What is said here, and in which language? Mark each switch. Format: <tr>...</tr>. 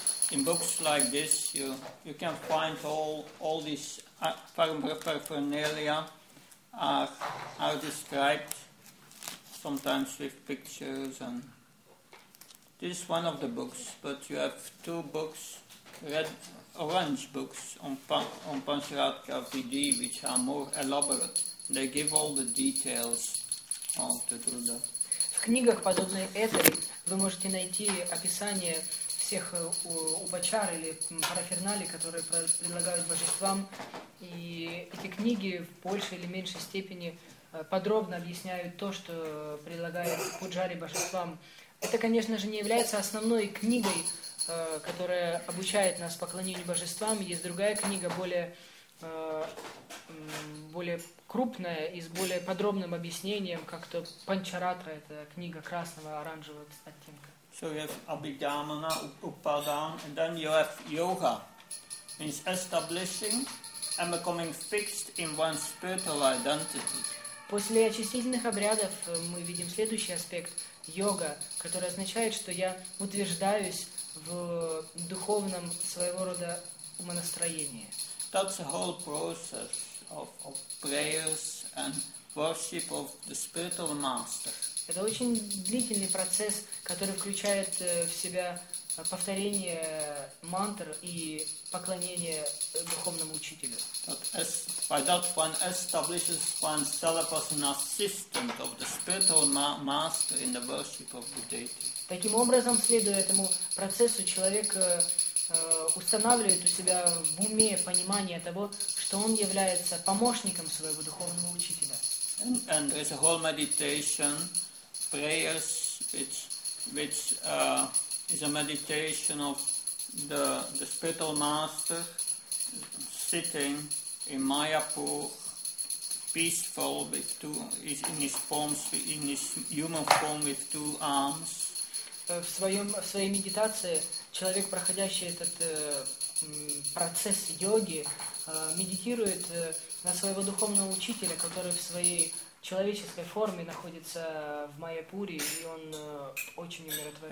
<en>In books like this, you can find all these paraphernalia are described, sometimes with pictures. And this is one of the books, but you have two books, red, orange books on Pancharatka VD, which are more elaborate. They give all the details of the Druda.</en> <ru>В книгах, подобной этой, вы можете найти описание всех упачар или параферналий, которые предлагают божествам. И эти книги в большей или меньшей степени подробно объясняют то, что предлагает пуджари божествам. Это, конечно же, не является основной книгой, которая обучает нас поклонению божествам. Есть другая книга, более крупная и с более подробным объяснением, как-то Панчаратра, это книга красного, оранжевого оттенка.</ru> <en>So you have Abhidhamana, Upadana, and then you have Yoga. Means establishing and becoming fixed in one's spiritual identity.</en> <ru>После очистительных обрядов мы видим следующий аспект – йога, который означает, что я утверждаюсь в духовном своего рода умонастроении.</ru> <en>That's the whole process of prayers and worship of the spiritual master.</en> <ru>Это очень длительный процесс, который включает в себя повторение мантр и поклонение духовному учителю.</ru> <en>By that one establishes one's self as an assistant of the spiritual master in the worship of the deity.</en> <ru>Таким образом, следуя этому процессу, человек устанавливает у себя в уме понимание того, что он является помощником своего духовного учителя.</ru> <en>And there is a whole meditation, prayers, which is a meditation of the spiritual master sitting in Mayapur, peaceful with two, in his human form with two arms.</en> <ru>В своей медитации человек, проходящий этот процесс йоги, медитирует на своего духовного учителя, который в своей человеческой форме находится в Майяпуре, и он очень умиротворен.</ru>